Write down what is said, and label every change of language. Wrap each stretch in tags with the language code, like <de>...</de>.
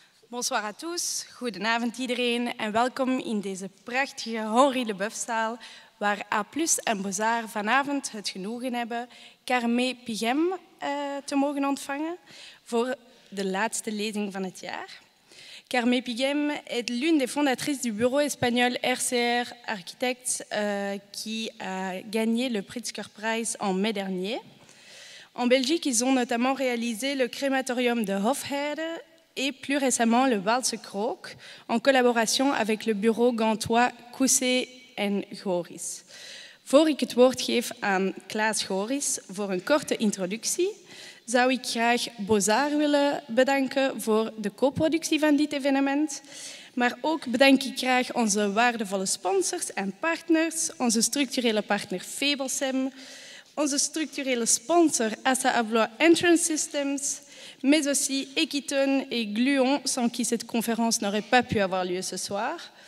<fr>Bonsoir à tous,</fr> <nl>goedenavond iedereen en welkom in deze prachtige Henri Leboeufzaal waar A+ en Bozar vanavond het genoegen hebben Carme Pigem te mogen ontvangen voor de laatste lezing van het jaar.</nl> <fr>Carme Pigem est l'une des fondatrices du bureau espagnol RCR Architects qui a gagné le Pritzker Prize en mai dernier. En Belgique, ils ont notamment réalisé le crématorium de Hofheide et plus récemment le Walsekrook en collaboration avec le bureau gantois Cousé en Goris.</fr> <nl>Voor ik het woord geef aan Klaas Goris voor een korte introductie, zou ik graag Bozar willen bedanken voor de co-productie van dit evenement. Maar ook bedank ik graag onze waardevolle sponsors en partners, onze structurele partner Febelsem, onze structurele sponsor Assa Abloy Entrance Systems,</nl> <fr>mais aussi Equitone et Gluon, sans qui cette conférence n'aurait pas pu avoir lieu ce soir.</fr>